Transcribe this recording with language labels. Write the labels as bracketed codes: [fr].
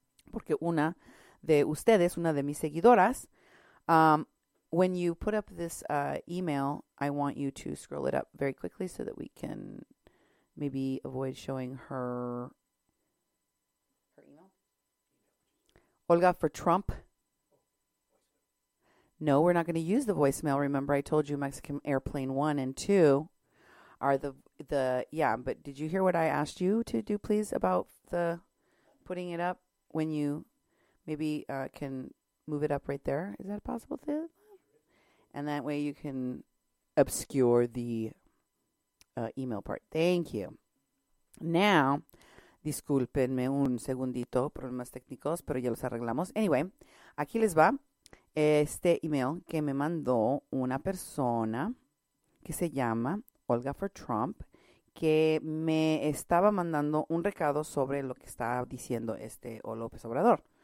[es] porque una de ustedes, una de mis seguidoras, [en] when you put up this email, I want you to scroll it up very quickly so that we can maybe avoid showing her email. Olga for Trump. No, we're not going to use the voicemail. Remember, I told you Mexican Airplane 1 and 2 are the yeah, but did you hear what I asked you to do, please, about the putting it up when you maybe can move it up right there? Is that a possible thing? And that way you can obscure the email part. Thank you. [es] Now, discúlpenme un segundito, problemas técnicos, pero ya los arreglamos. Anyway, aquí les va este email que me mandó una persona que se llama Olga for Trump, que me estaba mandando un recado sobre lo que está diciendo este o López Obrador.